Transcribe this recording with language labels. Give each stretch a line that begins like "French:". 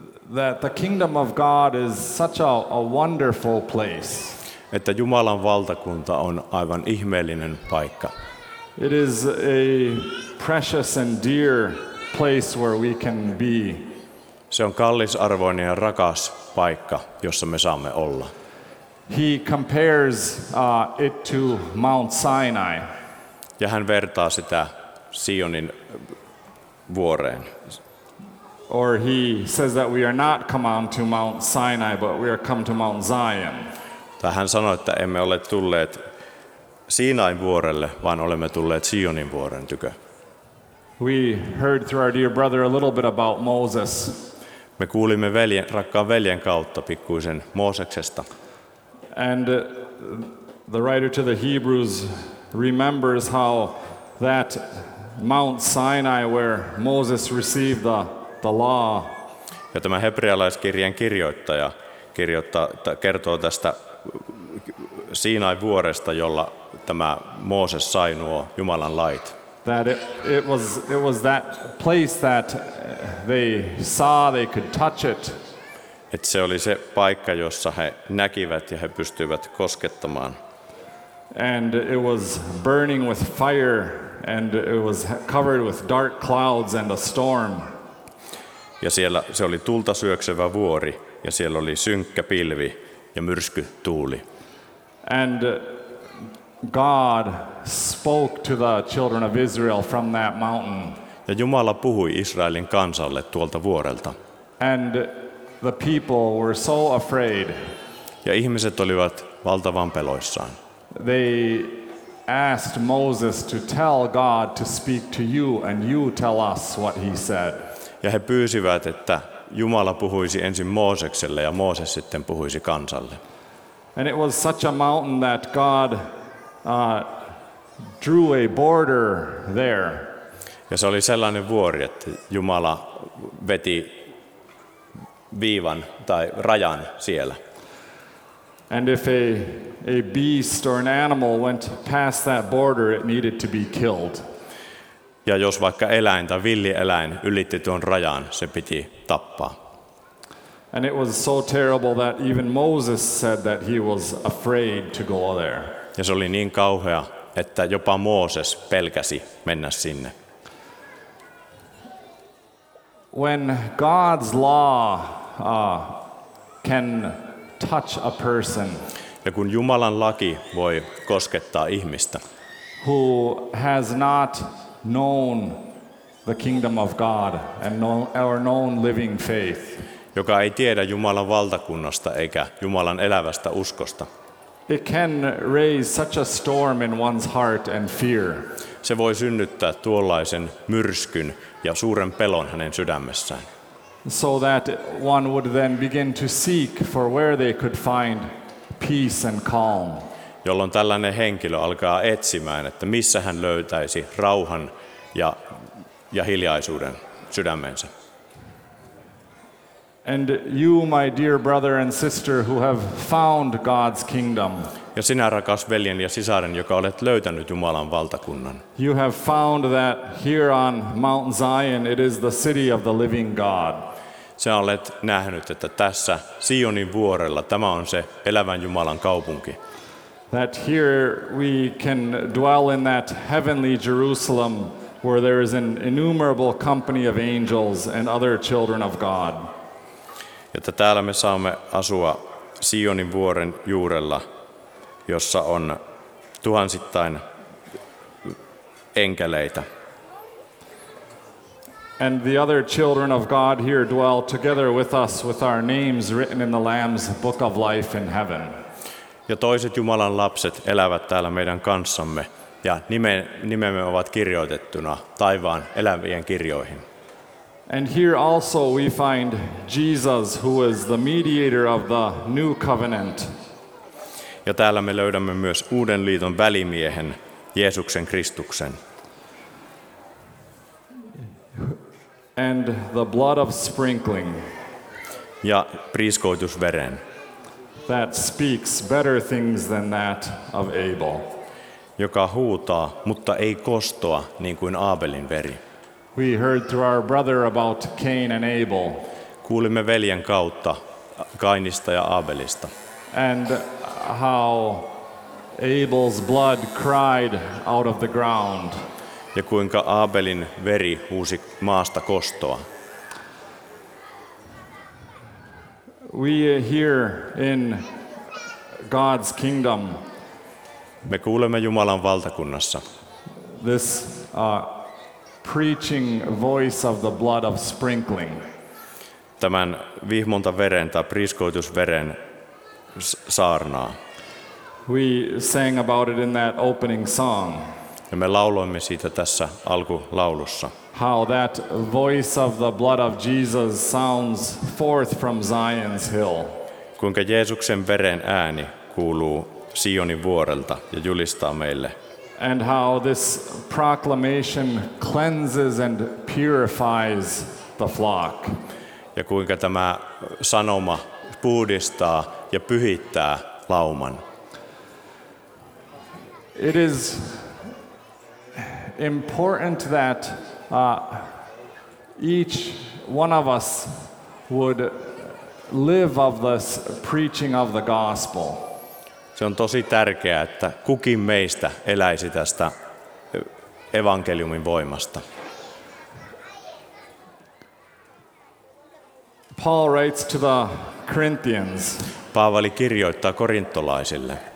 English: That the kingdom of God is such a wonderful place.
Finnish: Että Jumalan valtakunta on aivan ihmeellinen paikka.
English: It is a precious and dear place where we can be.
Finnish: Se on kallisarvoinen ja rakas paikka, jossa me saamme olla.
English: He compares it to Mount Sinai.
Finnish: Ja hän vertaa sitä Sionin vuoreen.
English: Or he says that we are not come on to Mount Sinai, but we are come to Mount Zion.
Finnish: Tai hän sanoi, että emme ole tulleet Siinain vuorelle, vaan olemme tulleet Sionin vuoren tykö.
English: We heard through our dear brother a little bit about Moses.
Finnish: Me kuulimme rakkaan veljen kautta pikkuisen Mooseksesta.
English: And the writer to the Hebrews remembers how that Mount Sinai where Moses received the law.
Finnish: Ja tämä hebrealaiskirjan kirjoittaja kertoo tästä Siinain vuoresta, jolla tämä Mooses sai nuo Jumalan lait.
English: That it was that place that they saw, they could touch it.
Finnish: Et se oli se paikka, jossa he näkivät ja he pystyivät koskettamaan.
English: And it was burning with fire and it was covered with dark clouds and a storm.
Finnish: Ja siellä se oli tulta syöksevä vuori ja siellä oli synkkä pilvi ja myrsky tuuli.
English: And God spoke to the children of Israel from that mountain.
Finnish: Ja Jumala puhui Israelin kansalle tuolta vuorelta.
English: And the people were so afraid.
Finnish: Ja ihmiset olivat valtavan peloissaan.
English: They asked Moses to tell God to speak to you and you tell us what he said.
Finnish: Ja he pyysivät, että Jumala puhuisi ensin Moosekselle ja Mooses sitten puhuisi kansalle.
English: And it was such a mountain that God drew a border there.
Finnish: Ja se oli sellainen vuori, että Jumala veti viivan tai rajan siellä.
English: And if a beast or an animal went past that border, it needed to be killed.
Finnish: Ja jos vaikka eläin tai villieläin ylitti tuon rajan, se piti tappaa.
English: And it was so terrible that even Moses said that he was afraid to go there.
Finnish: Ja se oli niin kauhea, että jopa Mooses pelkäsi mennä sinne.
English: When God's law can touch a person.
Finnish: Ja kun Jumalan laki voi koskettaa ihmistä.
English: Who has not known the kingdom of God and known living faith.
Finnish: Joka ei tiedä Jumalan valtakunnasta eikä Jumalan elävästä uskosta.
English: It can raise such a storm in one's heart and fear.
Finnish: Se voi synnyttää tuollaisen myrskyn ja suuren pelon hänen sydämessään.
English: So that one would then begin to seek for where they could find peace and calm.
Finnish: Jolloin tällainen henkilö alkaa etsimään, että missä hän löytäisi rauhan ja hiljaisuuden sydämensä.
English: And you, my dear brother and sister, who have found God's kingdom.
Finnish: Ja sinä, rakas veljen ja sisaren, joka olet löytänyt Jumalan valtakunnan.
English: You have found that here on Mount Zion it is the city of the living God.
Finnish: Sä olet nähnyt, että tässä Sionin vuorella tämä on se elävän Jumalan kaupunki.
English: That here we can dwell in that heavenly Jerusalem where there is an innumerable company of angels and other children of God.
Finnish: Että täällä me saamme asua Sionin vuoren juurella, jossa on tuhansittain enkeleitä.
English: And the other children of God here dwell together with us with our names written in the Lamb's book of life in heaven.
Finnish: Ja toiset Jumalan lapset elävät täällä meidän kanssamme ja nimemme ovat kirjoitettuna taivaan elävien kirjoihin.
English: And here also we find Jesus, who is the mediator of the new covenant.
Finnish: Ja täällä me löydämme myös uuden liiton välimiehen, Jeesuksen Kristuksen.
English: And the blood of sprinkling.
Finnish: Ja priiskoitusveren.
English: That speaks better things than that of Abel.
Finnish: Joka huutaa, mutta ei kostoa, niin kuin Aabelin veri.
English: We heard through our brother about Cain and Abel.
Finnish: Kuulimme veljen kautta Kainista ja Aabelista.
English: And how Abel's blood cried out of the ground.
Finnish: Ja kuinka Aabelin veri huusi maasta kostoa.
English: We here in God's kingdom.
Finnish: Me kuulemme Jumalan valtakunnassa.
English: This preaching voice of the blood of sprinkling.
Finnish: Tämän vihmonta veren tai priiskoitusveren saarnaa.
English: We sang about it in that opening song.
Finnish: Ja me lauloimme siitä tässä alkulaulussa.
English: How that voice of the blood of Jesus sounds forth from Zion's hill.
Finnish: Kuinka Jeesuksen veren ääni kuuluu Sionin vuorelta ja julistaa meille.
English: And how this proclamation cleanses and purifies the flock.
Finnish: Ja kuinka tämä sanoma puhdistaa ja pyhittää lauman.
English: It is important that each one of us would live of this preaching of the gospel.
Finnish: Se on tosi tärkeää, että kukin meistä eläisi tästä evankeliumin voimasta.
English: Paul writes to the Corinthians.
Finnish: Paavali kirjoittaa korintolaisille.